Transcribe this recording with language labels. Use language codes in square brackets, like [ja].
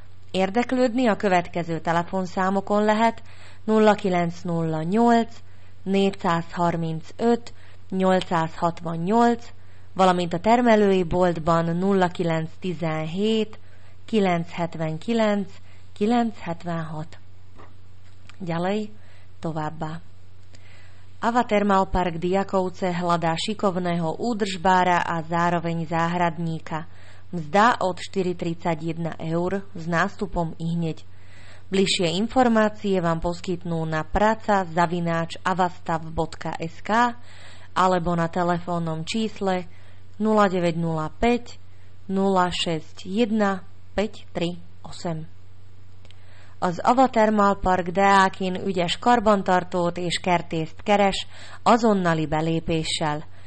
[hu] Érdeklődni a következő telefonszámokon lehet 0908 435 868, valamint a termelői boltban 0917 979 976. Gyalej, továbbá. [sk] Ava Thermal Park Diakovce hľadá šikovného údržbára a zároveň záhradníka. Mzda od 4,31 eur s nástupom ihneď. Bližšie informácie vám poskytnú na praca@avastav.sk alebo na telefónnom čísle 0905 061 538. [hu] Az Ava Thermal Park Deákin ügyes karbantartót és kertészt keres azonnali belépéssel.